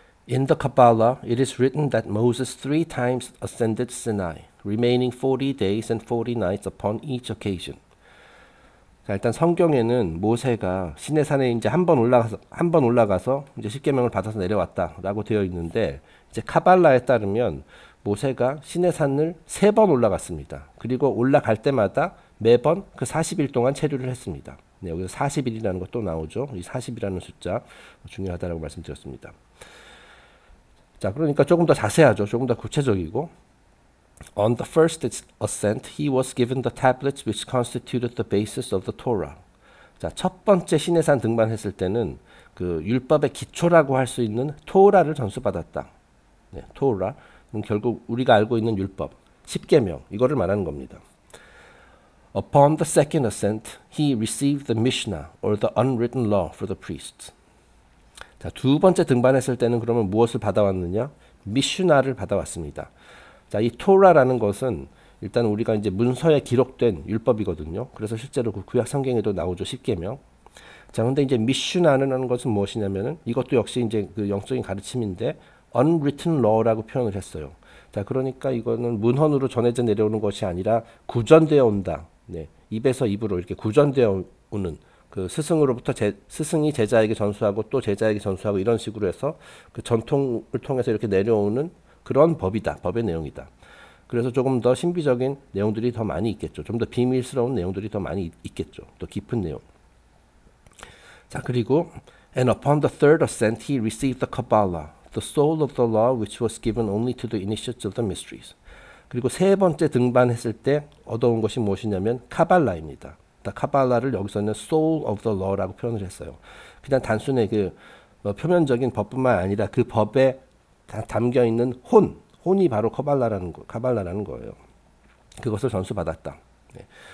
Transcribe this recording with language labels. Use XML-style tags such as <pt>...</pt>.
<en>In the Kabbalah, it is written that Moses three times ascended Sinai, remaining 40 days and 40 nights upon each occasion.</en> <ko>자, 일단 성경에는 모세가 시내산에 이제 한번 올라가서 이제 십계명을 받아서 내려왔다라고 되어 있는데 이제 카발라에 따르면 모세가 시내산을 세번 올라갔습니다. 그리고 올라갈 때마다 매번 그 40일 동안 체류를 했습니다. 네, 여기서 40일이라는 것도 나오죠. 이 40이라는 숫자 중요하다라고 말씀드렸습니다. 자, 그러니까 조금 더 자세하죠. 조금 더 구체적이고.</ko> <en>On the first ascent, he was given the tablets which constituted the basis of the Torah.</en> <ko>자, 첫 번째 시내산 등반했을 때는 그 율법의 기초라고 할수 있는 토라를 전수받았다. 네, 토라. 결국 우리가 알고 있는 율법, 십계명, 이거를 말하는 겁니다.</ko> <en>Upon the second ascent, he received the Mishnah or the unwritten law for the priests.</en> <ko>자, 두 번째 등반했을 때는 그러면 무엇을 받아왔느냐? 미슈나를 받아왔습니다. 자, 이 토라라는 것은 일단 우리가 이제 문서에 기록된 율법이거든요. 그래서 실제로 그 구약 성경에도 나오죠. 십계명. 자, 근데 이제 미슈나라는 것은 무엇이냐면은 이것도 역시 이제 그 영적인 가르침인데 unwritten law라고 표현을 했어요. 자, 그러니까 이거는 문헌으로 전해져 내려오는 것이 아니라 구전되어 온다. 네. 입에서 입으로 이렇게 구전되어 오는 그 스승으로부터 스승이 제자에게 전수하고 또 제자에게 전수하고 이런 식으로 해서 그 전통을 통해서 이렇게 내려오는 그런 법이다. 법의 내용이다. 그래서 조금 더 신비적인 내용들이 더 많이 있겠죠. 좀더 비밀스러운 내용들이 더 많이 있겠죠. 더 깊은 내용. 자, 그리고</ko> <en>And upon the third ascent he received the Kabbalah, the soul of the law which was given only to the initiates of the mysteries.</en> <ko>그리고 세 번째 등반했을 때 얻어온 것이 무엇이냐면 카발라입니다. 카발라를 여기서는 Soul of the Law라고 표현을 했어요. 그냥 단순히 그 표면적인 법뿐만 아니라 그 법에 담겨 있는 혼, 혼이 바로 카발라라는 거예요. 그것을 전수받았다. 네.</ko>